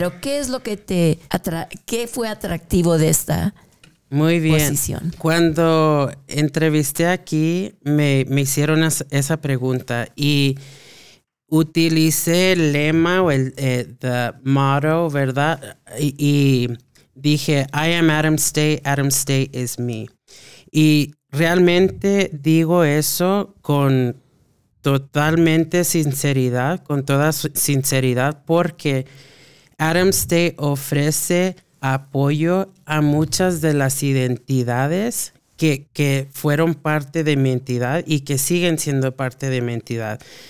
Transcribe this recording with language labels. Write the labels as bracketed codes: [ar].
[es] pero ¿qué es lo que te qué fue atractivo de esta Muy bien. Posición. Cuando entrevisté aquí, me hicieron esa pregunta y utilicé el lema o [en] the motto, [es] ¿verdad? Y dije, [en] I am Adam State is me. [es] Y realmente digo eso con totalmente sinceridad, con toda sinceridad, porque Adam State ofrece apoyo a muchas de las identidades que fueron parte de mi entidad y que siguen siendo parte de mi entidad.